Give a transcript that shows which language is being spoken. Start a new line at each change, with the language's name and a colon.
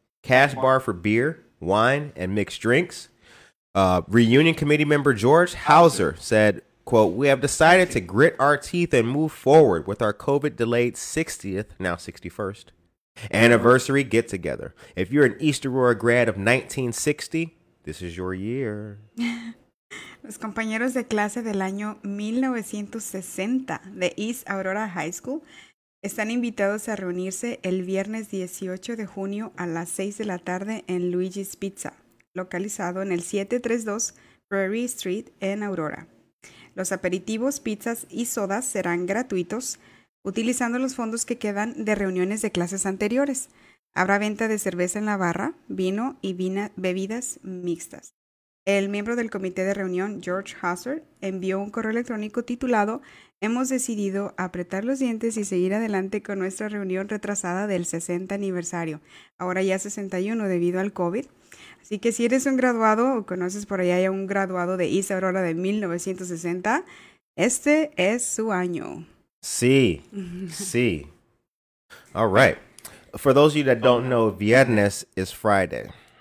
English: Cash bar for beer, wine, and mixed drinks. Reunion committee member George Hauser said, quote, "We have decided to grit our teeth and move forward with our COVID-delayed 60th, now 61st, anniversary get-together. If you're an East Aurora grad of 1960, this is your year."
Spanish: Los compañeros de clase del año 1960 de East Aurora High School están invitados a reunirse el viernes 18 de junio a las 6 de la tarde en Luigi's Pizza, localizado en el 732 Prairie Street en Aurora. Los aperitivos, pizzas y sodas serán gratuitos, utilizando los fondos que quedan de reuniones de clases anteriores. Habrá venta de cerveza en la barra, vino y bebidas mixtas. El miembro del comité de reunión, George Hauser, envió un correo electrónico titulado "Hemos decidido apretar los dientes y seguir adelante con nuestra reunión retrasada del 60 aniversario, ahora ya 61 debido al COVID". Así que si eres un graduado o conoces por allá a un graduado de East Aurora de 1960, este es su año. Sí, sí.
English: All right. For those of you that don't know, viernes is Friday.